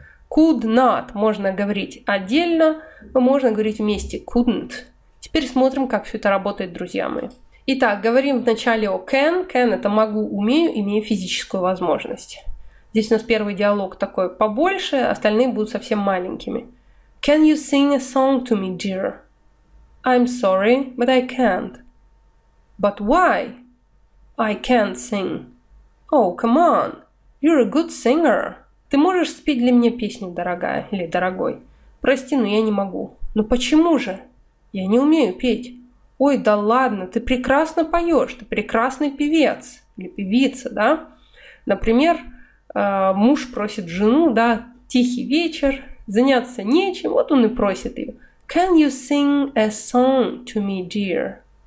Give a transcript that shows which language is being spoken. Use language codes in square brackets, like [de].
[ru] Could not можно говорить отдельно, но можно говорить вместе couldn't. Теперь смотрим, как все это работает, друзья мои. Итак, говорим вначале о can. Can – это могу, умею, имею физическую возможность. Здесь у нас первый диалог такой побольше, остальные будут совсем маленькими. [en] Can you sing a song to me, dear? I'm sorry, but I can't. But why? I can't sing. Oh, come on. You're a good singer. [ru] Ты можешь спеть для меня песню, дорогая или дорогой? Прости, но я не могу. Но почему же? Я не умею петь. Ой, да ладно, ты прекрасно поешь. Ты прекрасный певец или певица, да? Например, муж просит жену, да, тихий вечер, заняться нечем. Вот он и просит ее. [en] Can you sing a song to me, dear?